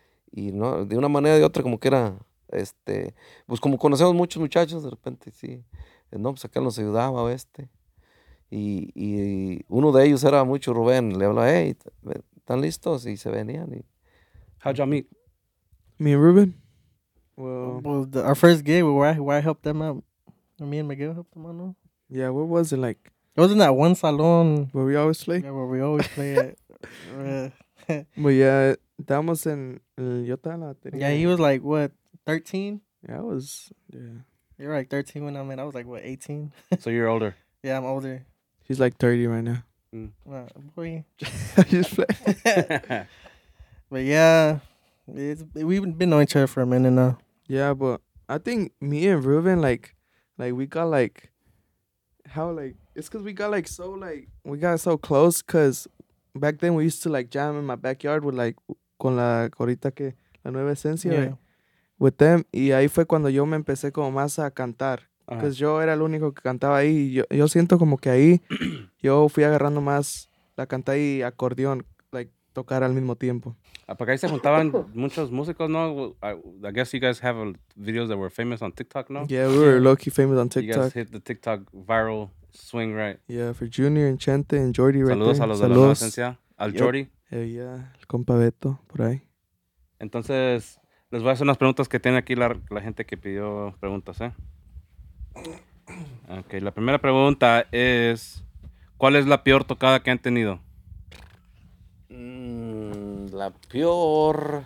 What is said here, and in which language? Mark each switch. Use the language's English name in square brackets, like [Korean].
[Spanish] Y no, de una manera o de otra como que era, pues como conocemos muchos muchachos de repente, sí. No, pues acá nos ayudaba este. Y uno de ellos era mucho Rubén, le hablaba, hey, ¿están listos? Y se venían. Y... [English] How'd y'all meet? Me and Ruben. Well, our first gig, where I helped them out. Me and Miguel helped them out, no? Yeah, what was it like? It was in that one salon. Where we always play? Yeah, where we always play it. But yeah, that was in Yota. Yeah, he was like, what, 13? Yeah, I was, yeah. You were like 13 when I met. I was like, what, 18? So you're older. Yeah, I'm older. He's like 30 right now. Boy. Just play. But yeah, we've been knowing each other for a minute now. Yeah, but I think me and Ruben, like we got like, how like, it's because we got like so like, we got so close because back then we used to like jam in my backyard with like, con la corita que, la nueva esencia. Yeah. With them. [Spanish] Y ahí fue cuando yo me empecé como más a cantar. Pues yo era el único que cantaba ahí. Yo siento como que ahí yo fui agarrando más la cantada y acordeón, like, tocar al mismo tiempo. Porque ahí se juntaban muchos músicos, ¿no? [English] I guess you guys have videos that were famous on TikTok, ¿no? Yeah, we were low-key famous on TikTok. You guys hit the TikTok viral swing, right? Yeah, for Junior and Chente and Jordy right [Spanish] there. Saludos a los de la presencia. Al Jordy. Yeah, el compa Beto, por ahí. Entonces, les voy a hacer unas preguntas que tiene aquí la gente que pidió preguntas, ¿eh? Okay, la primera pregunta es, ¿cuál es la peor tocada que han tenido? La peor...